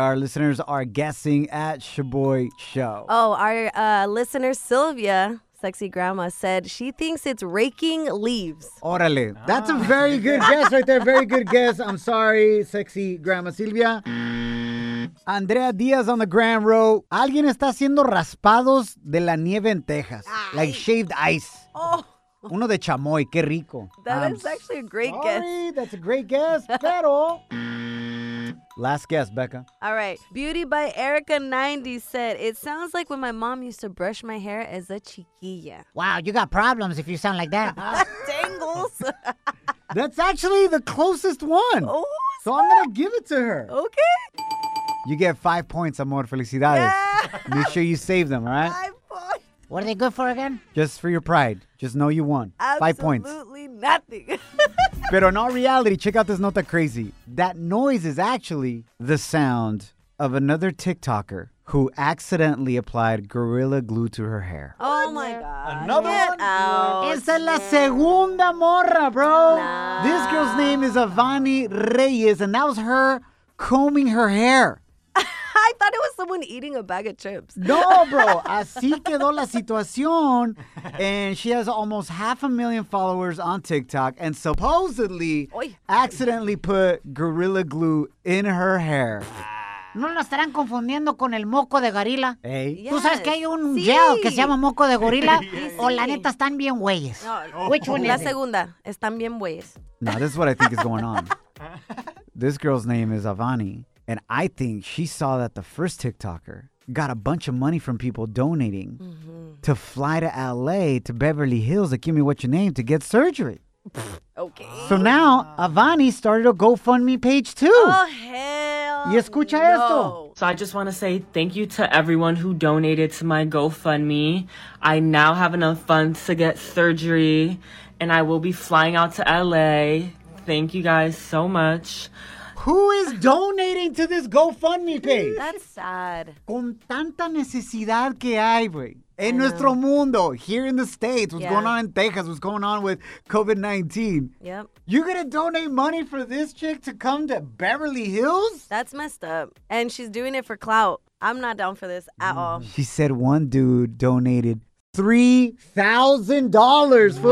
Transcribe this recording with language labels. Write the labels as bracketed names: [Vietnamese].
[English] Our listeners are guessing at Shaboy Show. Oh, our listener Sylvia, sexy grandma, said she thinks it's raking leaves. [Spanish] Orale. [English] That's a very good guess right there. Very good guess. I'm sorry, sexy grandma Sylvia. Andrea Diaz on the grand row. [Spanish] Alguien está haciendo raspados de la nieve en Texas. [English] Ay. Like shaved ice. Oh. [Spanish] Uno de chamoy, qué rico. [English] That's actually a great guess. Pero. Last guess, Becca. All right. Beauty by Erica 90 said, it sounds like when my mom used to brush my hair as a chiquilla. Wow, you got problems if you sound like that. Dangles. That's actually the closest one. Oh, so I'm going to give it to her. Okay. You get 5 points, amor. Felicidades. Yeah. Make sure you save them, all right? 5 points. What are they good for again? Just for your pride. Just know you won. Absolutely 5 points. Absolutely nothing. But in all reality, check out this nota crazy. That noise is actually the sound of another TikToker who accidentally applied Gorilla Glue to her hair. Oh, my God. Another Get one? Out. [Spanish] Esa es la segunda morra, bro. [English] Nah. This girl's name is Avani Reyes, and that was her combing her hair. I thought it was someone eating a bag of chips. [Spanish] No, bro. Así quedó la situación. [English] And she has almost 500,000 followers on TikTok and supposedly accidentally put Gorilla Glue in her hair. [Spanish] ¿No la estarán confundiendo con el moco de gorila? ¿Eh? [English] Yes. [Spanish] ¿Tú sabes que hay un gel que se llama moco de gorila? Sí. ¿O la neta están bien güeyes? No. [English] Which one [Spanish] la [English] is [Spanish] segunda. [English] It? [Spanish] Están bien güeyes. [English] No, this is what I think is going on. This girl's name is Avani. And I think she saw that the first TikToker got a bunch of money from people donating to fly to L.A. to Beverly Hills to give me what's your name to get surgery. Okay. So now Avani started a GoFundMe page too. Oh, hell. [Spanish] ¿Y escucha esto? [English] So I just want to say thank you to everyone who donated to my GoFundMe. I now have enough funds to get surgery and I will be flying out to L.A. Thank you guys so much. Who is donating to this GoFundMe page? That's sad. [Spanish] Con tanta necesidad que hay, güey. En nuestro mundo, [English] here in the States, what's going on in Texas, what's going on with COVID-19. Yep. You're going to donate money for this chick to come to Beverly Hills? That's messed up. And she's doing it for clout. I'm not down for this at all. She said one dude donated $3,000, fool.